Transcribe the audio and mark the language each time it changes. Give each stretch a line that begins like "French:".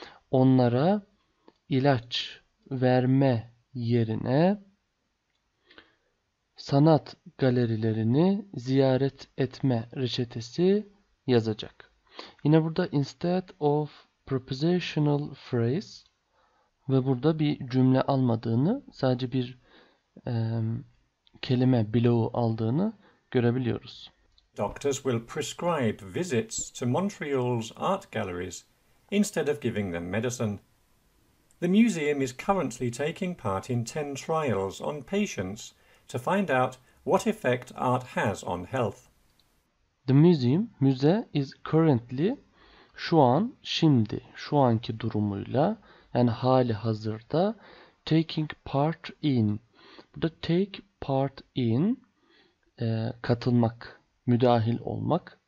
Turkish: Onlara ilaç verme yerine sanat galerilerini ziyaret etme reçetesi yazacak. Yine burada instead of prepositional phrase ve burada bir cümle almadığını, sadece bir kelime bloğu aldığını görebiliyoruz.
English: Doctors will prescribe visits to Montreal's art galleries instead of giving them medicine. The museum is currently taking part in 10 trials on patients to find out what effect art has on health. The museum,
Turkish: müze
English: is currently,
Turkish: şu an, şimdi, şu anki durumuyla, yani hali hazırda,
English: taking part in.
Turkish: Burada
English: take part in,
Turkish: katılmak, müdahil olmak.